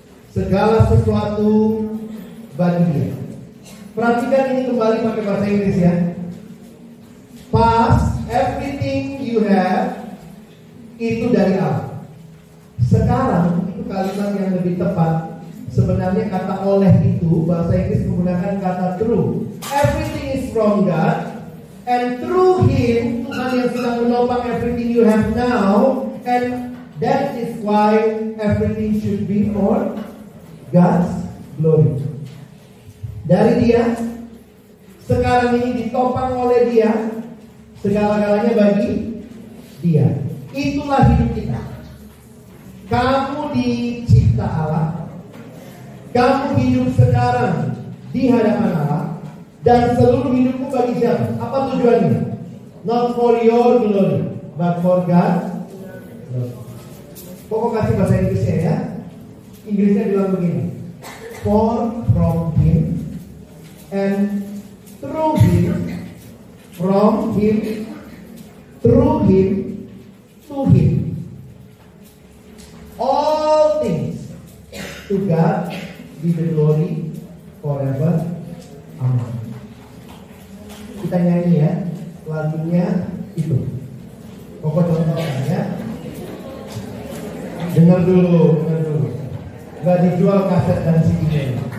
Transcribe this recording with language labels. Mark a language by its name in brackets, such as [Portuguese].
[Indonesian] Segala sesuatu bagi Dia. Perhatikan ini kembali pakai bahasa Inggris ya. [English] Past everything you have [Indonesian] itu dari Allah. Sekarang itu kalimat yang lebih tepat. Sebenarnya kata oleh itu bahasa Inggris menggunakan kata through. [English] Everything is from God and through Him, [Indonesian] Tuhan yang sedang menopang [English] everything you have now, and that is why everything should be for God's glory. [Indonesian] Dari Dia, sekarang ini ditopang oleh Dia, segala-galanya bagi Dia. Itulah hidup kita. Kamu dicipta Allah, kamu hidup sekarang di hadapan Allah, dan seluruh hidupmu bagi siapa? Apa tujuannya? [English] Not for your glory, but for God. [Indonesian] Pokok kasih bahasa Inggrisnya ya. Inggrisnya bilang begini. [English] For from Him and through Him, from Him, through Him, to Him, all things to God be the glory forever. Amen. [Indonesian] Kita nyanyi ya lagunya itu. Pokok contohnya ya. Dengar dulu, dengar dulu. Gak dijual kaset dan CD-nya.